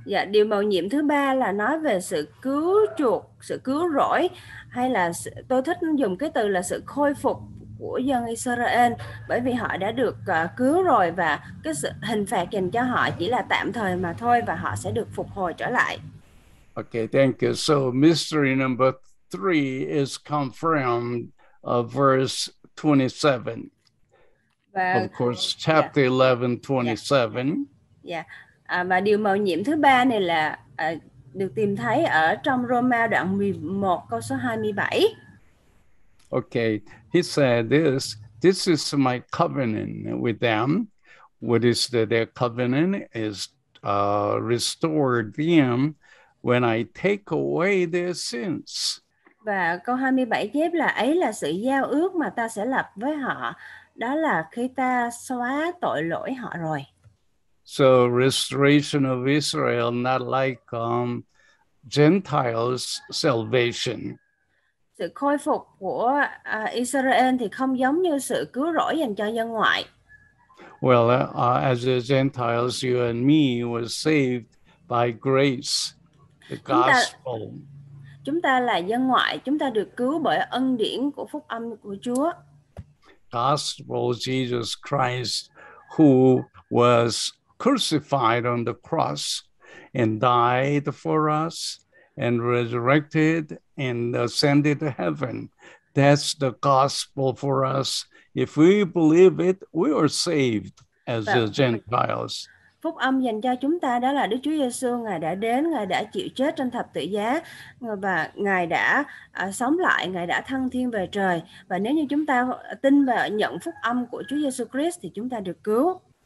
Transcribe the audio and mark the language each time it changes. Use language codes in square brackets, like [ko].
[vi] Điều mầu nhiệm thứ ba là nói về sự cứu chuộc, sự cứu rỗi, hay là tôi thích dùng cái từ là sự khôi phục của dân Israel, bởi vì họ đã được cứu rồi và cái sự hình phạt dành cho họ chỉ là tạm thời mà thôi và họ sẽ được phục hồi trở lại. [en] Okay, thank you. So mystery number three is confirmed verse 27. Of course, chapter 11:27. Yeah. [vi] Và điều mầu nhiệm thứ ba này là được tìm thấy ở trong Roma đoạn 11 câu số 27. [en] Okay, he said this, this is my covenant with them. What is the, their covenant is restored them when I take away their sins. [vi] Và câu 27 chép là ấy là sự giao ước mà ta sẽ lập với họ, đó là khi ta xóa tội lỗi họ rồi. [en] So restoration of Israel, not like Gentiles' salvation. [vi] Sự khôi phục của Israel thì không giống như sự cứu rỗi dành cho dân ngoại. [en] Well, as the Gentiles, you and me were saved by grace, the gospel. [vi] Chúng ta là dân ngoại, chúng ta được cứu bởi ân điển của phúc âm của Chúa. [en] Gospel, Jesus Christ, who was crucified on the cross and died for us and resurrected and ascended to heaven. That's the gospel for us. If we believe it, we are saved as the Gentiles. [vi] Phúc âm dành cho chúng ta đó là Đức Chúa Giêsu, Ngài đã đến, Ngài đã chịu chết trên thập tự giá và Ngài đã sống lại, Ngài đã thăng thiên về trời. Và nếu như chúng ta tin và nhận phúc âm của Chúa Giêsu Christ thì chúng ta được cứu.